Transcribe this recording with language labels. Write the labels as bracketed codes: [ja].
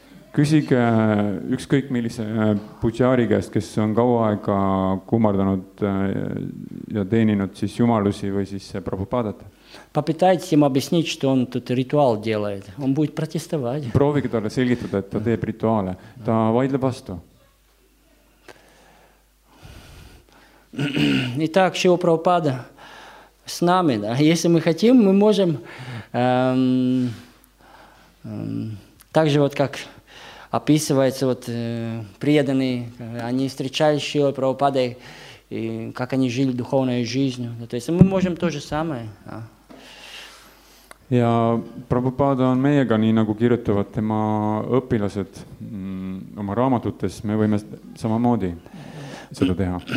[et] Küsige ükskõik millise pujari käest, kes on kaua aega kummardanud ja teeninud siis jumalusi või siis Prabhupadat. [ru] Попытайтесь ему объяснить, что он тут ритуал делает. Он будет протестовать. [et] Proovige talle selgitada, et ta teeb rituaale. Ta vaidleb vastu. [ru] Итак, Шрила Прабхупада с нами, да? Если мы хотим, мы можем так же вот как описывается вот преданные, они встречались с Шрилой Прабхупадой, и как они жили духовной жизнью. То есть мы можем то же самое. [et] Ja Prabhupada on meiega, nii nagu kirjutavad tema õpilased oma raamatutes, me võime samamoodi seda teha.